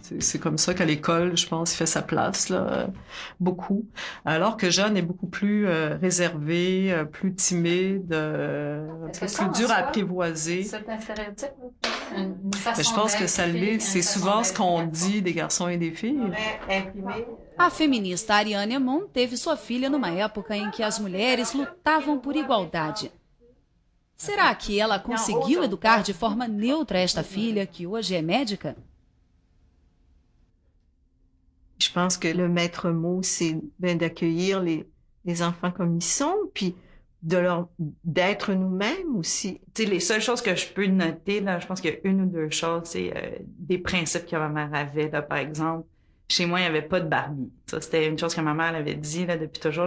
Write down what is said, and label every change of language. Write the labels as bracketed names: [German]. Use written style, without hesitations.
[French] C'est comme ça qu'à l'école, je pense, il fait sa place, là, beaucoup. Alors que Jeanne est beaucoup plus réservée, plus timide, plus dure à apprivoiser. C'est un stéréotype? Je pense que ça l'est. C'est souvent ce qu'on dit des garçons et des filles. [Portuguese] A feminista Ariane Amon teve sua filha numa época em que as mulheres lutavam por igualdade. Será que ela conseguiu educar de forma neutra esta filha, que hoje é médica? [French] Je pense que le maître mot, c'est ben, d'accueillir les enfants comme ils sont, puis d'être nous-mêmes aussi. T'sais, les seules choses que je peux noter, là, je pense qu'il y a une ou deux choses, c'est des principes que ma mère avait. Là, par exemple, chez moi, il n'y avait pas de Barbie. Ça, c'était une chose que ma mère avait dit là, depuis toujours.